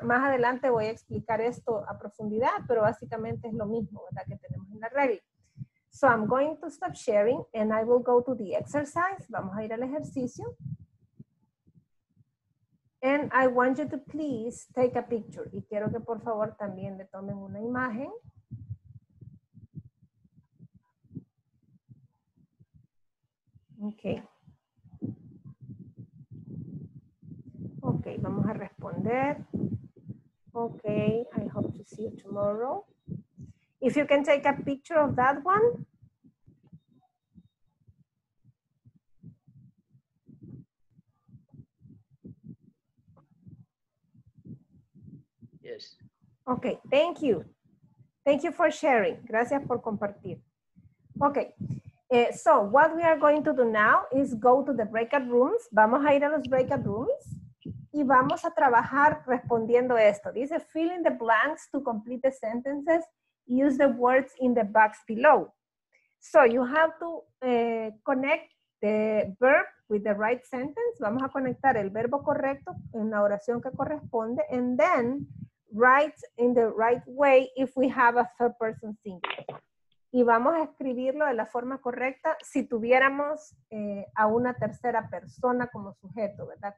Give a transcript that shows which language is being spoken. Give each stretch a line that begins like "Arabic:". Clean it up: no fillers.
Spanish: Más adelante voy a explicar esto a profundidad, pero básicamente es lo mismo, ¿verdad? Que tenemos en la regla.
English: So I'm going to stop sharing and I will go to the exercise.
Spanish: Vamos a ir al ejercicio.
English: And I want you to please take a picture.
Spanish: Y quiero que por favor también le tomen una imagen.
English: Okay. Okay,
Spanish: vamos a responder.
English: Okay, I hope to see you tomorrow. If you can take a picture of that one. Yes. Okay, thank you. Thank you for sharing.
Spanish: Gracias por compartir.
English: Okay. So what we are going to do now is go to the breakout rooms.
Spanish: Vamos a ir a los breakout rooms y vamos a trabajar respondiendo esto. Dice,
English: fill in the blanks to complete the sentences. Use the words in the box below. So you have to connect the verb with the right sentence.
Spanish: Vamos a conectar el verbo correcto en la oración que corresponde.
English: And then write in the right way if we have a third person singular.
Spanish: Y vamos a escribirlo de la forma correcta si tuviéramos a una tercera persona como sujeto, ¿verdad?